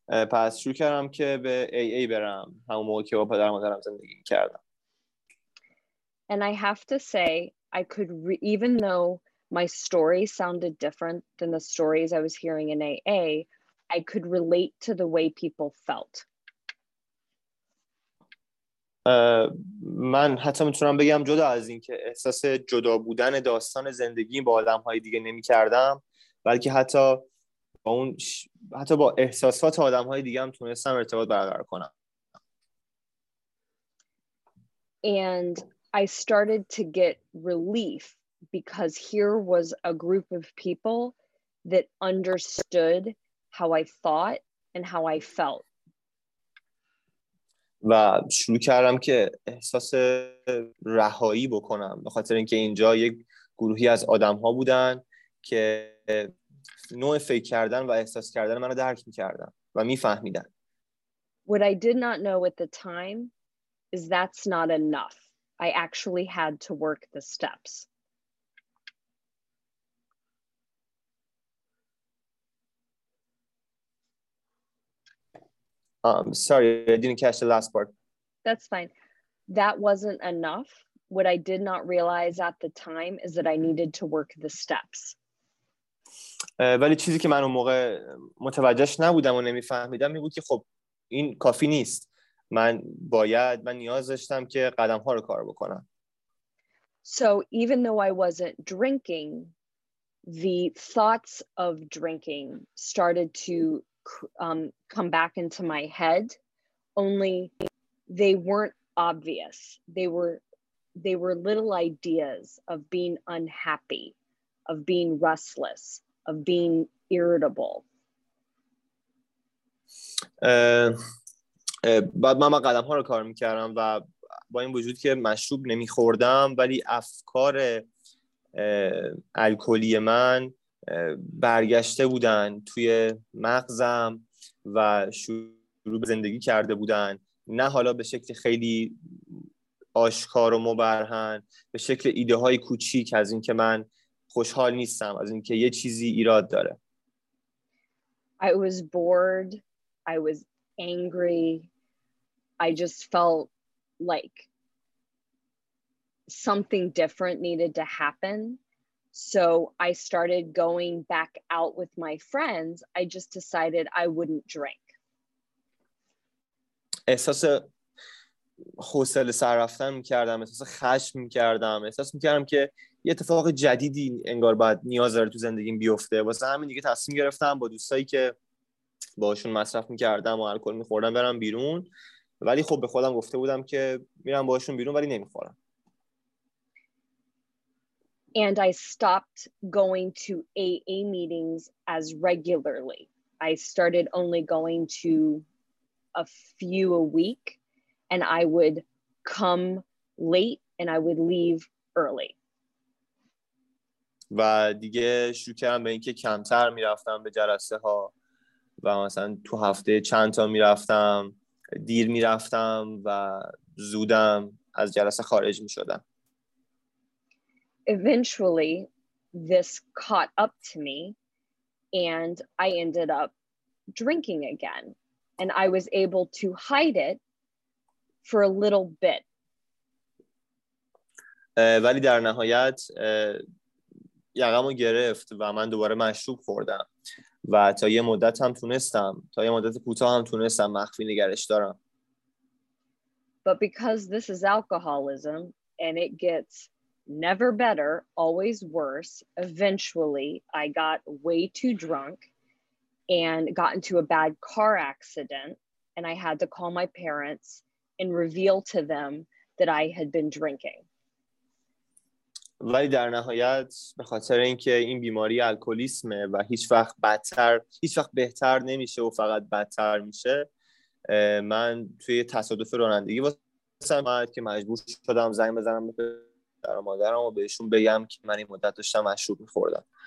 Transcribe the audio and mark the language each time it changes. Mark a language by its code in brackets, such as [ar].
[fa] پس شروع کردم که به AA برم همون موقع که با پدر مادرم زندگی کردم. [en] And I have to say I could even though my story sounded different than the stories I was hearing in AA, I could relate to the way people felt. [fa] من حتی میتونم بگم جدا از این که احساس جدا بودن داستان زندگی با آدم‌های دیگه نمی‌کردم، بلکه حتی با احساسات آدم‌های دیگه هم تونستم ارتباط برقرار کنم. [en] And I started to get relief because here was a group of people that understood how I thought and how I felt. [fa] و شروع کردم که احساس رهایی بکنم به خاطر اینکه اینجا یک گروهی از آدم‌ها بودن که نوع فکر کردن و احساس کردن منو درک می‌کردن و می‌فهمیدن. [en] What I did not know at the time is that's not enough. I actually had to work the steps. Sorry, I didn't catch the last part. That's fine. That wasn't enough. What I did not realize at the time is that I needed to work the steps. [fa] ولی چیزی که من اون موقع متوجهش نبودم و نمیفهمیدم این بود که خب این کافی نیست، من نیاز داشتم که قدم ها رو کار بکنم. [en] So even though I wasn't drinking, the thoughts of drinking started to come back into my head, only they weren't obvious. They were little ideas of being unhappy, of being restless, of being irritable. [fa] بعد من قدم ها رو کار میکردم و با این وجود که مشروب نمیخوردم ولی افکار الکلی من برگشته بودن توی مغزم و شروع به زندگی کرده بودن، نه حالا به شکل خیلی آشکار و مبرهن، به شکل ایده های کوچیک از این که من خوشحال نیستم، از اینکه یه چیزی ایراد داره. [en] I was bored. I was angry. I just felt like something different needed to happen. So I started going back out with my friends. I just decided I wouldn't drink. [fa] احساس حوصله سر رفتن می‌کردم، احساس خشم می‌کردم، احساس می‌کردم که یه اتفاق جدیدی انگار باید نیاز داره تو زندگیم بیفته. واسه همین دیگه تصمیم گرفتم با دوستایی که باهاشون مصرف می‌کردم و الکل می‌خوردم برم بیرون، ولی خب به خودم گفته بودم که میرم باهاشون بیرون ولی نمی‌خورم. [en] And I stopped going to AA meetings as regularly. I started only going to a few a week, and I would come late and I would leave early. [fa] و دیگه شروع کردم به اینکه کمتر میرفتم به جلسه ها و مثلا تو هفته چند تا میرفتم، دیر میرفتم و زودم از جلسه خارج میشدم. [en] Eventually this caught up to me and I ended up drinking again, and I was able to hide it for a little bit. [fa] ولی در نهایت یقمو گرفت و من دوباره مشروب خوردم و تا یه مدت کوتاه هم تونستم مخفی نگرش دارم. [en] But because this is alcoholism and it gets never better, always worse, eventually I got way too drunk and got into a bad car accident, and I had to call my parents and reveal to them that I had been drinking. [fa] ولی در نهایت به خاطر اینکه این بیماری الکلیسمه و هیچ وقت بهتر نمیشه و فقط بدتر میشه، من توی تصادف رانندگی واسم اومد که مجبور شدم زنگ بزنم به پدر و مادرم و بهشون بگم که من این مدت داشتم مشروب می‌خوردم.